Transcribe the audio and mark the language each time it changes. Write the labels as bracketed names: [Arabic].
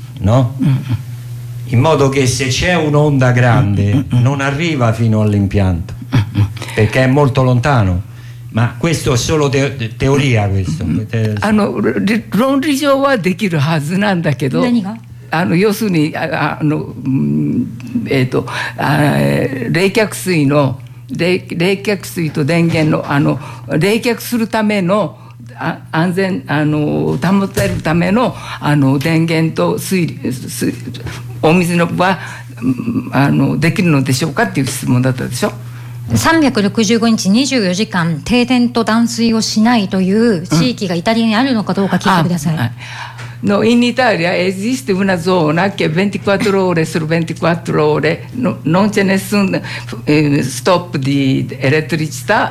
[Italian] No? Mm-mm. In modo che se c'è un'onda grande, mm-mm, non arriva fino all'impianto. Mm-mm. Perché è molto lontano. Ma questo è solo teoria. Questo. Non riusciamo a dire che è un altro. [Japanese] 要するに冷却水の冷却水と電源 の冷却するための安全保てるため の電源と水お水のはできるのでしょうかっていう質問だったでしょ。 365日24時間停電と断水をしないという地域がイタリアにあるのかどうか聞いてください、うん。 [Italian] No, in Italia esiste una zona che 24 ore su 24 ore non c'è nessun stop di elettricità.